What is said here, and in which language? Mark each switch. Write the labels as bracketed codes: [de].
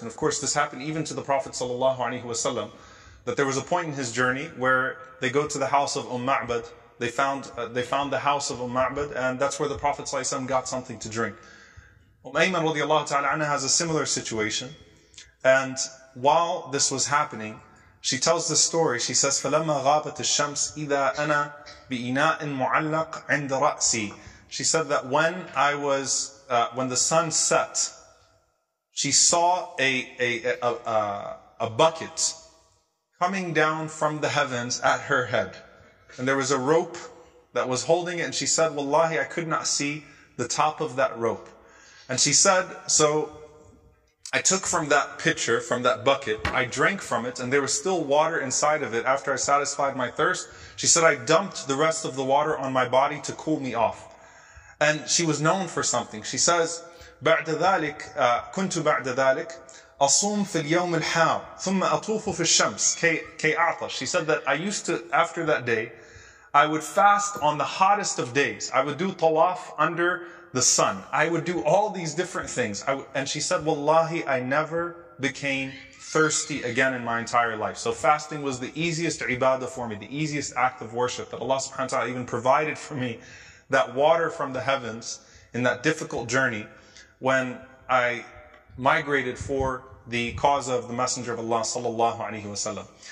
[en] And of course, this happened even to the Prophet sallallahu alaihi wasallam, that there was a point in his journey where they go to the house of Ma'bad. They found the house of Ma'bad, and that's where the Prophet sallallahu alaihi wasallam got something to drink. Ayman radiallahu ta'ala anha has a similar situation. And while this was happening, she tells the story. She says, [ar] فَلَمَّا غَابَتِ الشَّمْسِ إِذَا أَنَا بِإِنَاءٍ مُعَلَّقٍ عِنْدَ رَأْسِي. [en] She said that when the sun set, she saw a bucket coming down from the heavens at her head. And there was a rope that was holding it. And she said, Wallahi, I could not see the top of that rope. And she said, so I took from that pitcher, from that bucket, I drank from it, and there was still water inside of it after I satisfied my thirst. She said, I dumped the rest of the water on my body to cool me off. And she was known for something. She says, [ar] بعد ذلك, كنت بعد ذلك, أصوم في اليوم الحار ثم أطوف في الشمس كأعطش. [en] She said that I used to, after that day, I would fast on the hottest of days. I would do tawaf under the sun. I would do all these different things. And she said, Wallahi, I never became thirsty again in my entire life. So fasting was the easiest ibadah for me, the easiest act of worship, that Allah subhanahu wa ta'ala even provided for me that water from the heavens in that difficult journey when I migrated for the cause of the Messenger of Allah sallallahu alayhi wa sallam.